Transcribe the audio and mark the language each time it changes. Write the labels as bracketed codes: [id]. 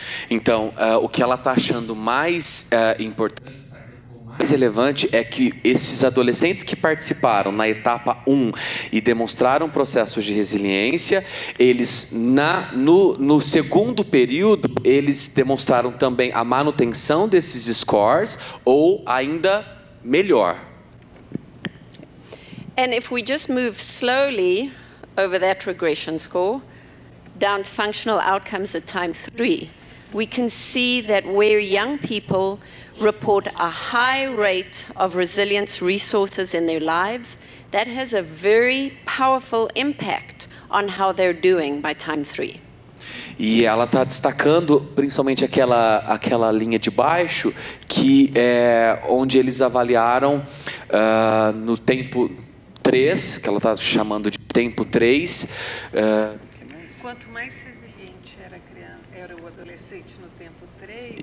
[pt] Então, o que ela está achando mais importante, mais relevante, é que esses adolescentes que participaram na etapa 1 e demonstraram processos de resiliência, eles no segundo período, eles demonstraram também a manutenção desses scores ou ainda melhor. [en] And if we just move slowly over that regression score down to functional outcomes at time 3, we can see that where young people report a high rate of resilience resources in their lives, that has a very powerful impact on how they're doing by time 3. [pt] E ela está destacando principalmente aquela linha de baixo, que é onde eles avaliaram no tempo 3, que ela está chamando de tempo 3. Quanto mais resiliente era a criança, era o adolescente no tempo 3.